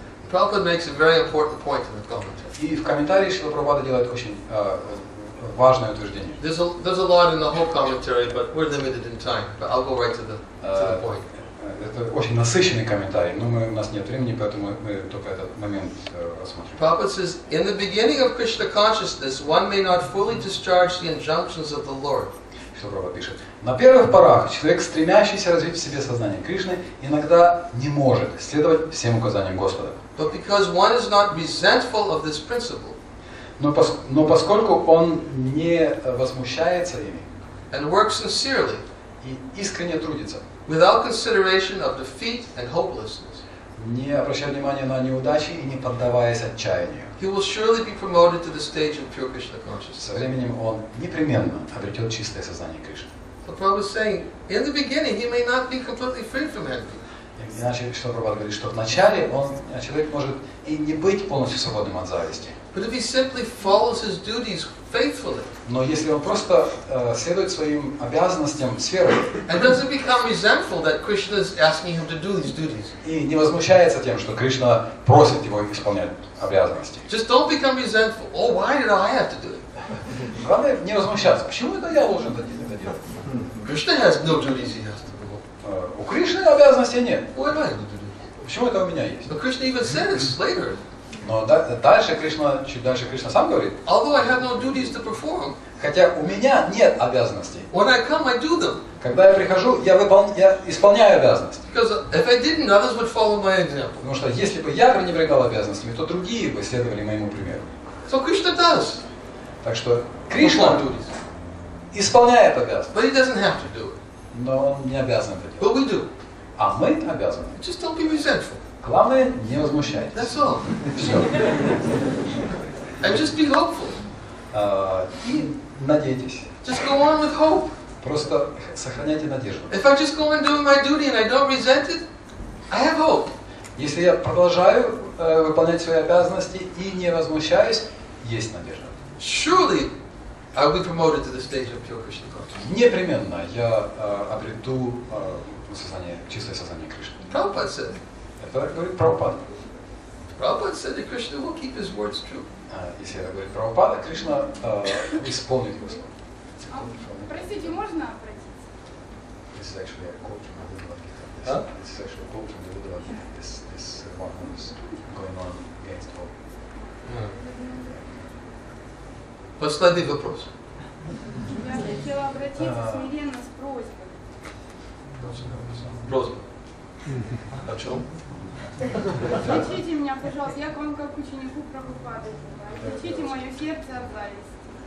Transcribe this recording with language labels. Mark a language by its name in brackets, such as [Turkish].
[English] Prabhupada makes a very important point in the commentary. [Russian] И в комментарии Шрила Прабхупада делает очень важное утверждение. [English] There's a lot in the whole commentary, but we're limited in time. But I'll go right to the point. [Russian] Это очень насыщенный комментарий, но у нас нет времени, поэтому мы только этот момент рассмотрим. [English] Prabhupada says, in the beginning of Krishna consciousness, one may not fully discharge the injunctions of the Lord. [Russian] Что Прабхупада пишет? На первых порах человек, стремящийся развить в себе сознание Кришны, иногда не может следовать всем указаниям Господа. [English] But because one is not resentful of this principle. [Russian] Но поскольку он не возмущается ими. [English] And works sincerely. [Russian] И искренне трудится. [English] Without consideration of defeat and hopelessness, [Russian] не обращая внимания на неудачи и не поддаваясь отчаянию, [English] he will surely be promoted to the stage of pure Krishna consciousness. [Russian] Со временем он непременно обретет чистое сознание Кришны. [English] The Prabhupada is saying, in the beginning, he may not be completely free from envy. [Russian] Иначе, что Прабхупада говорит, что вначале человек может и не быть полностью свободным от зависти. [English] But if he simply follows his duties faithfully, [Russian] но если он просто следует своим обязанностям с верой, [English] and doesn't become resentful that Krishna is asking him to do these duties, [Russian] и не возмущается тем, что Кришна просит его исполнять обязанности, [English] just don't become resentful. Oh, why did I have to do it? [Russian] Главное не возмущаться. Почему это я должен это делать? [English] Krishna has no duties he has to do. [Russian] У Кришны обязанностей нет. [English] Why do I have to do it? [Russian] Почему это у меня есть? [English] But Krishna even said it later. [Russian] Но дальше Кришна, чуть дальше Кришна сам говорит. [English] Although I have no duties to perform, [Russian] хотя у меня нет обязанностей. [English] When I come, I do them. [Russian] Когда я прихожу, я исполняю обязанности. [English] Because if I didn't, others would follow my example. [Russian] Потому что если бы я пренебрегал обязанностями, то другие бы следовали моему примеру. [English] So Krishna does. [Russian] Так что Кришна исполняет обязанность. [English] But he doesn't have to do it. [Russian] Но он не обязан это делать. [English] But we do. [Russian] А мы обязаны. [English] Just don't be resentful. [Russian] Главное, не возмущайтесь. [English] That's all. And just be hopeful. [Russian] И надейтесь. [English] Just go on with hope. [Russian] Просто сохраняйте надежду. [English] If I just go on doing my duty and I don't resent it, I have hope. [Russian] Если я продолжаю выполнять свои обязанности и не возмущаюсь, есть надежда. [English] Surely I will be promoted to the stage of pure Krishna consciousness. [Russian] Непременно я обрету сознание, чистое сознание Кришны. [English] Prabhupada said. [Russian] Это говорит Прабхупада. [English] Prabhupada said that Krishna will keep his words true. [Russian] Если это говорит Прабхупада, Кришна исполнит его слово. Простите, можно обратиться? [English] This is actually a quote from the Buddha Gita. This is actually a quote from the Buddha Gita. This one who is going on against hope. [Russian] Последний вопрос. Я хотела обратиться смиренно с просьбой. Просьба. О чем? Отключите меня, пожалуйста. Я к вам как ученику Прабхупады. Отключите мое сердце от зависти.